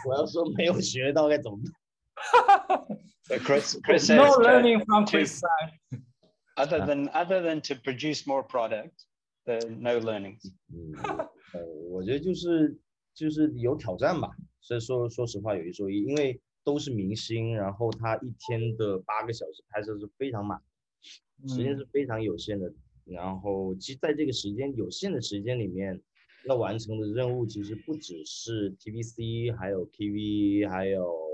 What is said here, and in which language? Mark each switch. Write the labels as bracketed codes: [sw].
[zh] 我要说没有学到该怎么办。 [en] Chris says no learning from Chris side. Other than to produce more product, the no learning. [zh] 我觉得就是有挑战吧。所以说实话，有一说一，因为都是明星，然后他一天的八个小时拍摄是非常满，时间是非常有限的。然后在这个时间有限的时间里面。要完成的任务其实不只是 TVC, 还有 KV, 还有、